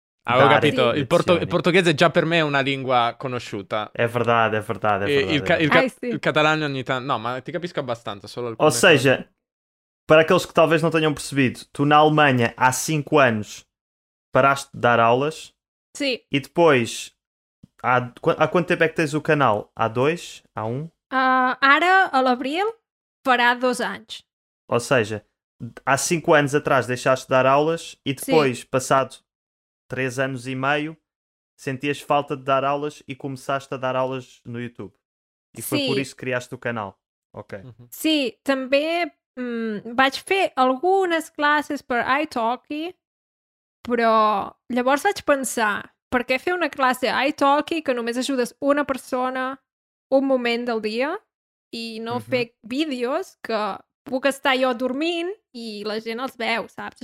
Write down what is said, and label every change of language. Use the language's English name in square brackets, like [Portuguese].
[Italian] Ho capito, il portoghese già per me è una lingua conosciuta. [Portuguese] È verdade. [Italian] Il catalano ogni tanto... No, ma ti capisco abbastanza, solo alcune cose. [Portuguese] Ou seja, [Italian] per [Portuguese] aqueles que talvez não tenham percebido, tu na Alemanha, há 5 anos, paraste de dar aulas. Sim. E depois, há quanto tempo é que tens o canal? Há 2? Há 1? [Catalan] Ara, a l'abril, farà 2 anos. [Portuguese] Ou seja, há 5 anos atrás deixaste de dar aulas e depois, sim, passado... 3 anos e meio, sentias falta de dar aulas e começaste a dar aulas no YouTube. E [Catalan] sí. [Portuguese] Foi por isso que criaste o canal. Ok. Sim, sí, também [Catalan] Vaig fer algunes classes per italki, però llavors vaig pensar, per què fer una classe italki que només ajudes una persona un moment del dia i no mm-hmm. fer vídeos que puc estar jo dormint i la gent els veu, saps?